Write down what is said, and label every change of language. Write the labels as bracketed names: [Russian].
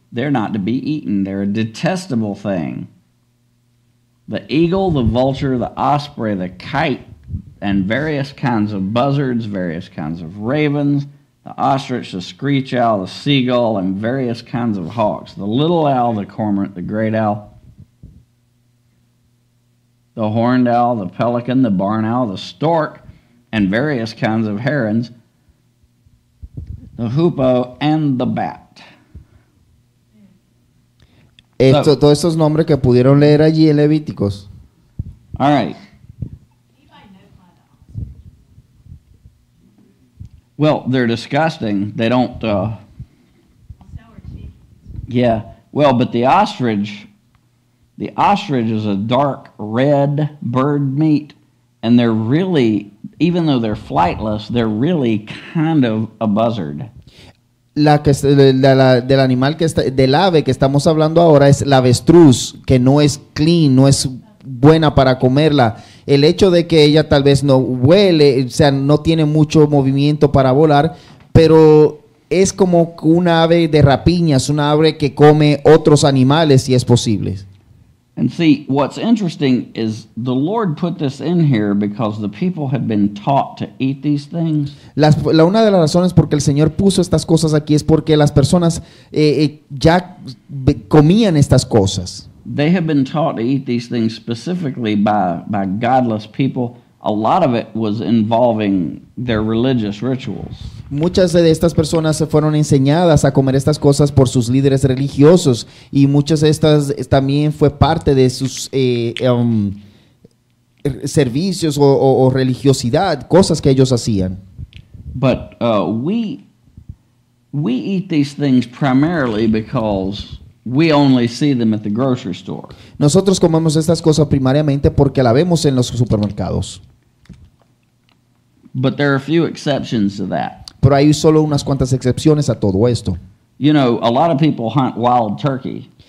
[English] They're not to be eaten. They're a detestable thing. The eagle, the vulture, the osprey, the kite, and various kinds of buzzards, various kinds of ravens, the ostrich, the screech owl, the seagull, and various kinds of hawks, the little owl, the cormorant, the great owl, the horned owl, the pelican, the barn owl, the stork, and various kinds of herons, the hoopoe, and the bat. [Spanish] Esto, todos esos nombres que pudieron leer allí en Levíticos. [English] All right. Well, they're disgusting. They don't... Yeah. Well, but The ostrich is a dark red bird meat, and they're really, even though they're flightless, they're really kind of a buzzard. [Spanish] Del ave que estamos hablando ahora es la avestruz, que no es clean, no es buena para comerla. El hecho de que ella tal vez no huele, o sea, no tiene mucho movimiento para volar, pero es como una ave de rapiña, es una ave que come otros animales, si es posible. [English] And see, what's interesting is the Lord put this in here because the people had been taught to eat these things. [Spanish] La una de las razones porque el Señor puso estas cosas aquí es porque las personas ya comían estas cosas. [English] They had been taught to eat these things specifically by godless people. A lot of it was involving their religious rituals. [Spanish] Muchas de estas personas se fueron enseñadas a comer estas cosas por sus líderes religiosos y muchas de estas también fue parte de sus servicios o religiosidad, cosas que ellos hacían. [English] But we eat these things primarily because we only see them at the grocery store. [Spanish] Nosotros comemos estas cosas primariamente porque la vemos en los supermercados. [English] But there are a few exceptions to that. [Spanish] Pero hay solo unas cuantas excepciones a todo esto. [English] You know, a lot of people hunt wild turkey.